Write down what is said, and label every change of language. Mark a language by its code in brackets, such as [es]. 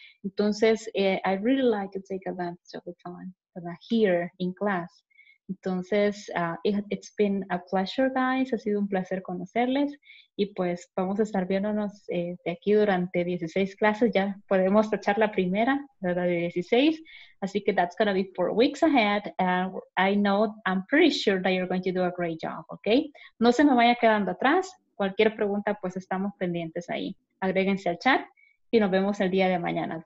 [en] Entonces, I really like to take advantage of the time, ¿verdad? Here in class. Entonces, it's been a pleasure, guys. [es] Ha sido un placer conocerles. Y pues vamos a estar viéndonos de aquí durante 16 clases. Ya podemos tachar la primera, ¿verdad? De 16. Así que [en] that's going to be 4 weeks ahead. And I know, I'm pretty sure that you're going to do a great job, okay? [es] No se me vaya quedando atrás. Cualquier pregunta, pues estamos pendientes ahí. Agréguense al chat y nos vemos el día de mañana.